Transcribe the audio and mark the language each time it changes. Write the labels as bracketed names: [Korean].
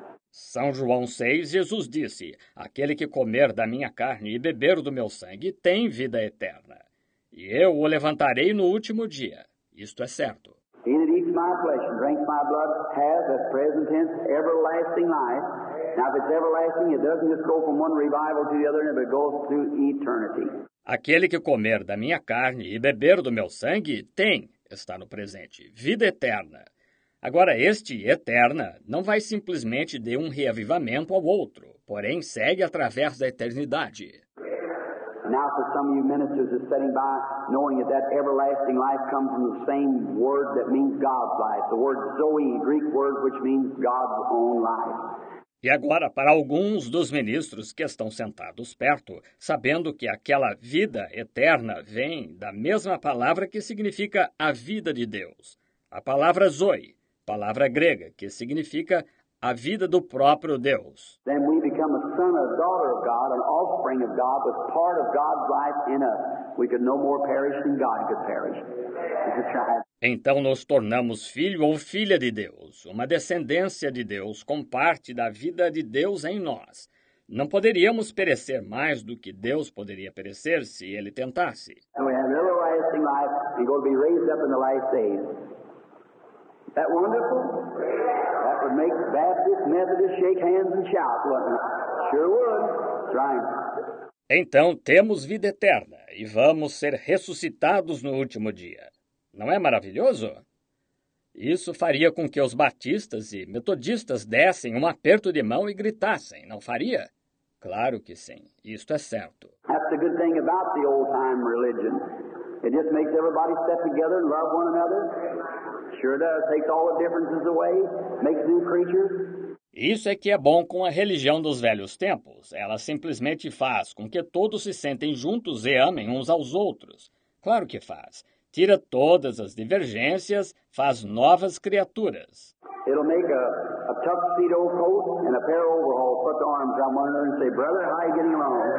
[Portuguese] São João 6, Jesus disse, aquele que comer da minha carne e beber do meu sangue tem vida eterna, e eu o levantarei no último dia. Isto é certo. [English] He that eats my flesh and drinks my blood has, at present tense, everlasting life. Now, if it's everlasting, it doesn't just go from one revival to the other, but it goes through eternity. [Portuguese] Aquele que comer da minha carne e beber do meu sangue tem, está no presente. Vida eterna. Agora, este eterna não vai simplesmente de um reavivamento ao outro, porém segue através da eternidade. [English] Now, for some of you ministers are sitting by, knowing that that everlasting life comes from the same word that means God's life, the word Zoe, Greek word, which means God's own life. [Portuguese] E agora, para alguns dos ministros que estão sentados perto, sabendo que aquela vida eterna vem da mesma palavra que significa a vida de Deus, a palavra Zoe, palavra grega, que significa a vida do próprio Deus. [English] Then we become a son or daughter of God, an offspring of God, but part of God's life in us. We could no more perish than God could perish. [Portuguese] Então nos tornamos filho ou filha de Deus, uma descendência de Deus, com parte da vida de Deus em nós. Não poderíamos perecer mais do que Deus poderia perecer se ele tentasse. [English] And we have an everlasting life and go to be raised up in the last days. That wonderful? That would make Baptist, Methodist shake hands and shout, wouldn't it? Sure would. Right. [Portuguese] Então temos vida eterna e vamos ser ressuscitados no último dia. Não é maravilhoso? Isso faria com que os batistas e metodistas dessem um aperto de mão e gritassem, não faria? Claro que sim, isto é certo. [English] That's the good thing about the old-time religion. It just makes everybody step together and love one another. Sure does, takes all the differences away, makes new creatures. [Portuguese] Isso é que é bom com a religião dos velhos tempos. Ela simplesmente faz com que todos se sentem juntos e amem uns aos outros. Claro que faz. Tira todas as divergências, faz novas criaturas. [English] It'll make a tough tuxedo coat and a pair of overalls, put the arms on one another and say, brother, how are you getting along?